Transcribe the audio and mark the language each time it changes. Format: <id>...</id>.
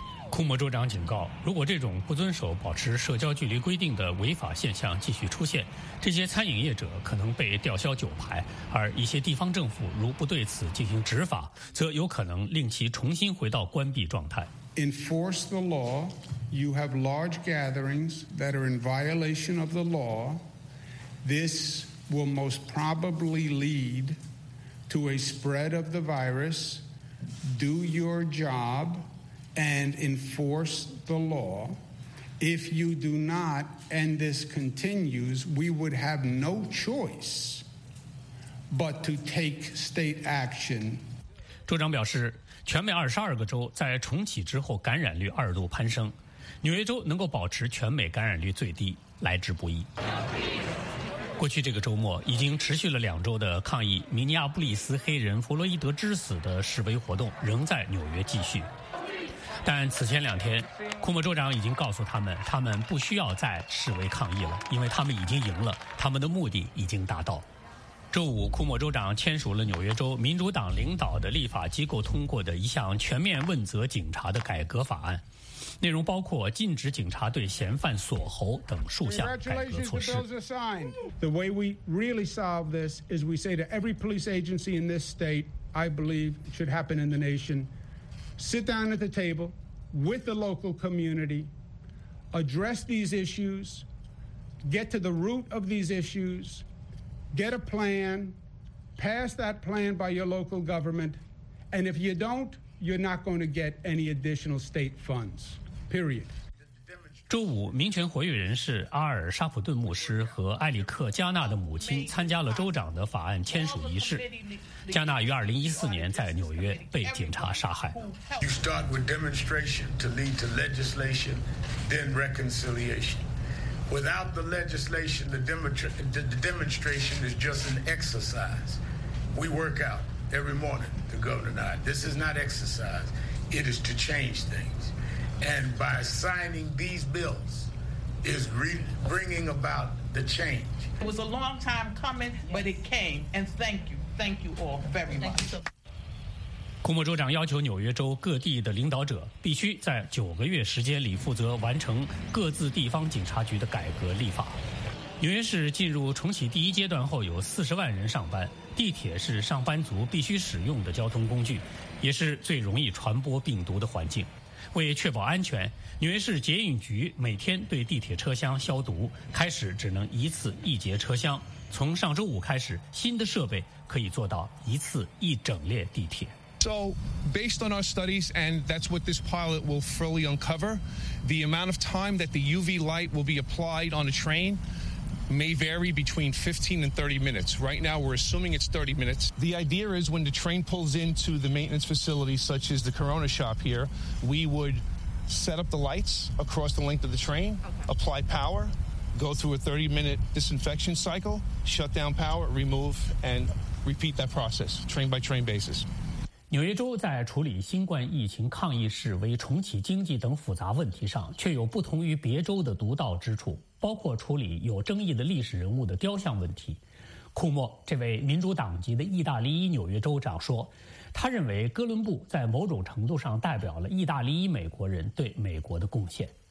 <zh>库莫州长警告，如果这种不遵守保持社交距离规定的违法现象继续出现，这些餐饮业者可能被吊销酒牌，而一些地方政府如不对此进行执法，则有可能令其重新回到关闭状态。</zh> <en>Enforce the law. You have large gatherings that are in violation of the law. This will most probably lead to a spread of the virus. Do your job. And enforce the law. If you do not, and this continues, we would have no choice but to take state action.</en> <zh>州长表示，全美22个州在重启之后感染率二度攀升，纽约州能够保持全美感染率最低，来之不易。过去这个周末，已经持续了2周的抗议明尼阿布里斯黑人弗洛伊德之死的示威活动仍在纽约继续。但此前两天，库莫州长已经告诉他们，他们不需要再示威抗议了，因为他们已经赢了，他们的目的已经达到。周五，库莫州长签署了纽约州民主党领导的立法机构通过的一项全面问责警察的改革法案，内容包括禁止警察对嫌犯锁喉等数项改革措施。</zh> <en>The way we really solve this is we say to every police agency in this state, I believe it should happen in the nation, sit down at the table with the local community, address these issues, get to the root of these issues, get a plan, pass that plan by your local government, and if you don't, you're not going to get any additional state funds. Period.</en> <zh>周五，民权活跃人士阿尔·沙普顿牧师和埃里克·加纳的母亲参加了州长的法案签署仪式。加纳于2014年在纽约被警察杀害。</zh> <en>You start with demonstration to lead to legislation, then reconciliation. Without the legislation, the demonstration is just an exercise. We work out every morning, the governor and I. This is not exercise. It is to change things. And by signing these bills is bringing about the change. It was a long time coming, but it came. And thank you. Thank you all very much.</en> <zh>库莫州长要求纽约州各地的领导者必须在9个月时间里负责完成各自地方警察局的改革立法。纽约市进入重启第一阶段后有40万人上班，地铁是上班族必须使用的交通工具，也是最容易传播病毒的环境。为确保安全，纽约市捷运局每天对地铁车厢消毒，开始只能一次一节车厢，从上周五开始，新的设备可以做到一次一整列地铁。</zh> <en>So, based on our studies, and that's what this pilot will fully uncover, the amount of time that the UV light will be applied on a train may vary between 15 and 30 minutes. Right now, we're assuming it's 30 minutes. The idea is when the train pulls into the maintenance facility, such as the Corona shop here, we would set up the lights across the length of the train, apply power, go through a 30-minute disinfection cycle, shut down power, remove, and repeat that process, train by train basis.</en> <zh>纽约州在处理新冠疫情抗疫示威、重启经济等复杂问题上却有不同于别州的独到之处，包括处理有争议的历史人物的雕像问题。库莫这位民主党籍的意大利裔纽约州长说，他认为哥伦布在某种程度上代表了意大利裔美国人对美国的贡献。</zh>